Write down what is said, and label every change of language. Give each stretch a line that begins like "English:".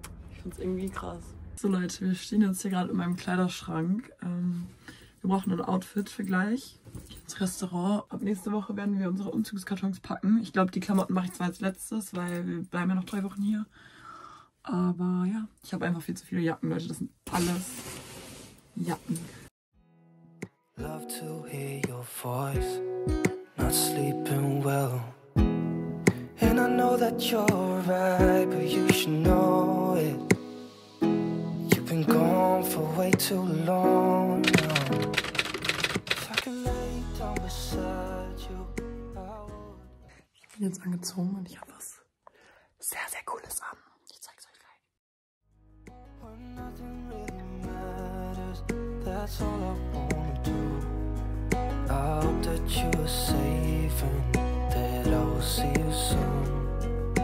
German: Ich finde es irgendwie krass. So Leute, wir stehen jetzt hier gerade in meinem Kleiderschrank. Wir brauchen ein Outfit für gleich ins Restaurant. Ab nächste Woche werden wir unsere Umzugskartons packen. Ich glaube, die Klamotten mache ich zwar als letztes, weil wir bleiben ja noch 3 Wochen hier. Aber ja, ich habe einfach viel zu viele Jacken, Leute. Das sind alles Jacken.
English: Love to hear your voice, not sleeping well. And I know that you're right, but you should know it. Been gone for way too long now. If I can lay down beside you, I would.
German: Ich bin jetzt angezogen und ich habe was sehr, sehr Cooles an. Ich zeig's euch gleich.
English: When nothing really matters, that's all I wanna do. I hope that you're safe and that I will see you soon.